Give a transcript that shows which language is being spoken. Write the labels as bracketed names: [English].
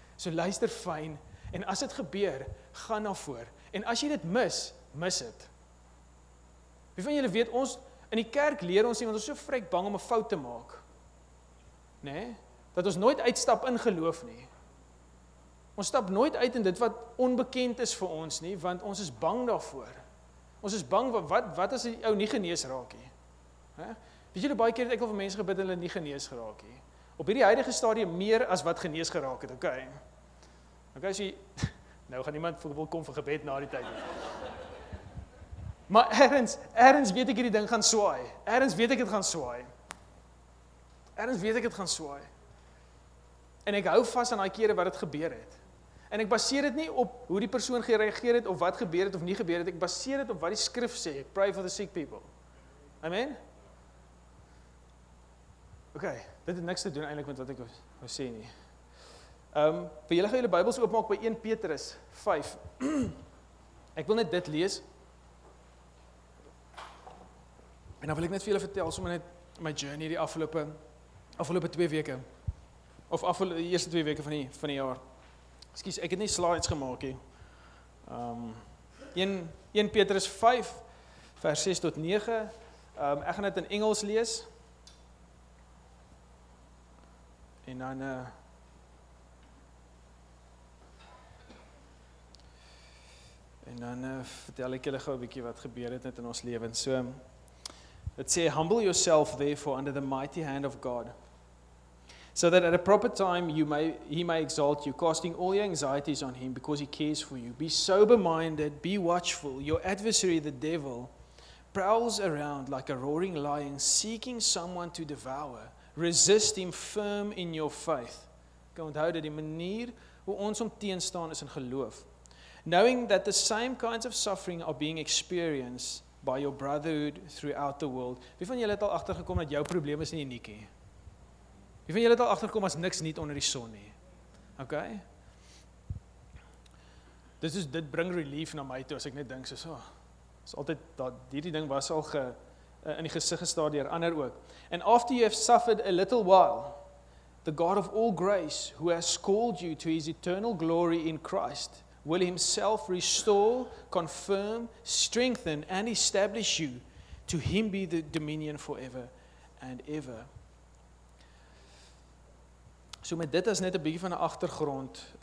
[Afrikaans] So luister fyn en as dit gebeur, gaan na voor. En as jy dit mis, mis dit. Wie van julle weet ons in die kerk leer ons nie want ons is so vrek bang om 'n fout te maak. Né? Dat ons nooit uitstap in geloof nie. Ons stap nooit uit in dit wat onbekend is vir ons nie, want ons is bang daarvoor. Ons is bang wat as die ou nie genees raak nie. Weet julle baie keer het ek al vir mense gebid en hulle nie genees geraak nie. Op hierdie huidige stadium meer as wat genees geraak het, okay. Okay, as jy nou gaan iemand wil kom vir gebed na die tyd. Maar erns weet ek hierdie ding gaan swaai. Erns weet ek dit gaan swaai. En ek hou vas aan daai kere wat dit gebeur het. En ek baseer dit nie op hoe die persoon gereageer het of wat gebeur het of nie gebeur het. Ek baseer dit op wat die skrif sê. [English] Pray for the sick people. [Afrikaans] Amen? Okay, dit het niks te doen eintlik met wat ek wou sê nie. Vir julle gaan julle Bybels oopmaak by 1 Petrus 5. Ek wil net dit lees. En dan wil ek net vir julle vertel sommer net my journey die afgelope 2 weke. Of afgelope eerste 2 weke van die jaar. Ekskuus, ek het nie slides gemaak nie. 1 Petrus 5 vers 6 tot 9. Ek gaan dit in Engels lees. En dan vertel ek julle gou 'n bietjie wat gebeur het net in ons lewens. So dit sê [English] humble yourself therefore under the mighty hand of God. So that at a proper time he may exalt you, casting all your anxieties on him because he cares for you. Be sober-minded, be watchful. Your adversary, the devil, prowls around like a roaring lion, seeking someone to devour. Resist him firm in your faith. [Afrikaans] Ek onthou dat die manier hoe ons om teenstaan is in geloof. [English] Knowing that the same kinds of suffering are being experienced by your brotherhood throughout the world. [Afrikaans] Wie van julle het al agtergekom dat jou probleem is nie uniek nie? Jy vind julle het al agterkom as niks nie onder die son nie. OK? Dit bring relief na my toe as ek net dink so. Is altyd dat hierdie ding was al in die gesig gestaar deur ander ook. [English] And after you have suffered a little while, the God of all grace who has called you to his eternal glory in Christ will himself restore, confirm, strengthen and establish you. To him be the dominion forever and ever. [Afrikaans] So met dit as net 'n bietjie van 'n agtergrond.